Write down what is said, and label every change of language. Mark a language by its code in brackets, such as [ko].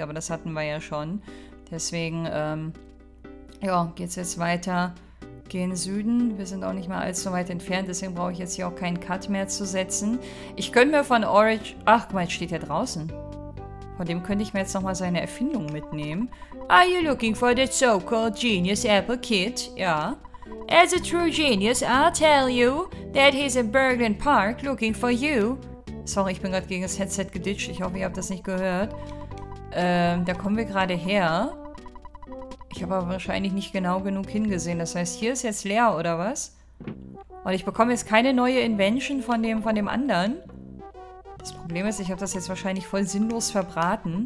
[de] Aber das hatten wir ja schon. Deswegen, ja, geht's jetzt weiter. Gehen Süden. Wir sind auch nicht mehr allzu weit entfernt, deswegen brauche ich jetzt hier auch keinen Cut mehr zu setzen. Ich könnte mir von Orange... Ach, guck mal, jetzt steht er draußen. Von dem könnte ich mir jetzt nochmal seine Erfindung mitnehmen. [en] Are you looking for the so-called genius Apple Kid? Ja. As a true genius, I'll tell you that he's in Berglin Park looking for you. [de] Sorry, ich bin gerade gegen das Headset geditscht. Ich hoffe, ihr habt das nicht gehört. Da kommen wir gerade her. Ich habe aber wahrscheinlich nicht genau genug hingesehen. Das heißt, hier ist jetzt leer, oder was? Und ich bekomme jetzt keine neue Invention von dem anderen. Das Problem ist, ich habe das jetzt wahrscheinlich voll sinnlos verbraten.